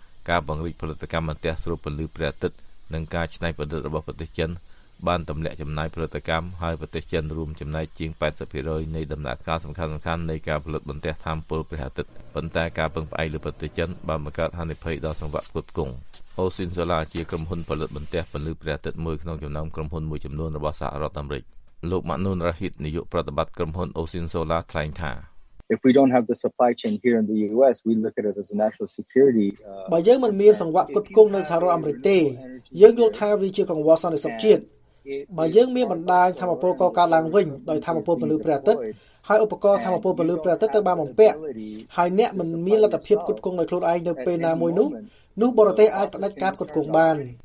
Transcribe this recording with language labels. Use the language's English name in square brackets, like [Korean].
[Khmer] ការបង្រីកផលិតកម្មបន្ទះស្រូបពន្លឺព្រះអាទិត្យនិងការច្នៃប្រឌិតរបស់ប្រទេសចិនបានទម្លាក់ចំណាយផលិតកម្មហើយប្រទេសចិនរួមចំណាយជាង 80% នៃដំណាក់កាលសំខាន់ៗនៃការផលិតបន្ទះថាមពលព្រះអាទិត្យប៉ុន្តែការពឹងផ្អែកលើប្រទេសចិនបានបង្កើតហានិភ័យដល់សង្វាក់ផ្គត់ផ្គង់អូស៊ីនសូឡាជាក្រុមហ៊ុនផលិតបន្ទះពន្លឺព្រះអាទិត្យមួយក្នុងចំណោមក្រុមហ៊ុនមួយចំនួនរបស់សហរដ្ឋអាមេរិកលោកម៉ាណូនរ៉ាហ៊ីតនាយកប្រតិបត្តិក្រុមហ៊ុនអូស៊ីនសូឡាថ្លែងថា [English] If we don't have the supply chain here in the US, we look at it as a national security. [Khmer] បើយើងមិនមានសង្វាក់ផ្គត់ផ្គង់នៅសហរដ្ឋអាមេរិកទេយើងយល់ថាវាជាកង្វល់សន្តិសុខជាតិបើយើងមានបណ្ដាញធម្មពលកកឡើងវិញដោយធម្មពលពន្លឺព្រះអាទិត្យហើយឧបករណ៍ធម្មពលពន្លឺព្រះអាទិត្យត្រូវបានបំពាក់ហើយអ្នកមិនមានលទ្ធភាពផ្គត់ផ្គង់ដោយខ្លួនឯងនៅពេលណាមួយនោះបរទេសអាចផ្ដាច់ការផ្គត់ផ្គង់បានន